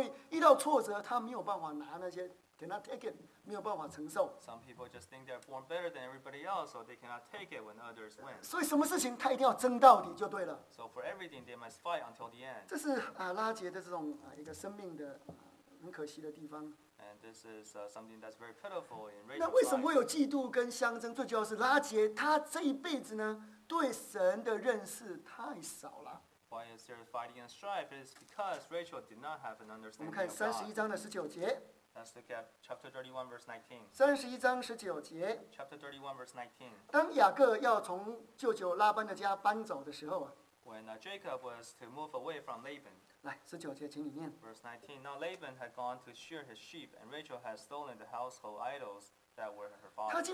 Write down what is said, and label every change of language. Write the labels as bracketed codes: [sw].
[zh] 那很多人他觉得自己就是天生就是比别人好，所以遇到挫折他没有办法拿那些， [en] cannot take it， [zh] 没有办法承受。 [en] Some people just think they're born better than everybody else, so they cannot take it when others win. [zh] 所以什么事情他一定要争到底就对了。 [en] So for everything, they must fight until the end. [zh] 这是拉杰的这种一个生命的很可惜的地方。 [en] And this is something that's very pitiful in Rachel's life. [zh] 那为什么会有嫉妒跟相争？最主要是拉杰他这一辈子呢，对神的认识太少了。 [en] Why is there fighting and strife? It is because Rachel did not have an understanding of God. [zh] 我们看31章的19节。 [en] Let's look at chapter 31, verse 19. [zh] 31章19节。 [en] Chapter 31, verse 19. [zh] 当雅各要从舅舅拉班的家搬走的时候啊。 [en] When Jacob was to move away from Laban. [zh] 来，19节，请你念。 [en] Verse 19. Now Laban had gone to shear his sheep, and Rachel had stolen the household idols that were her father.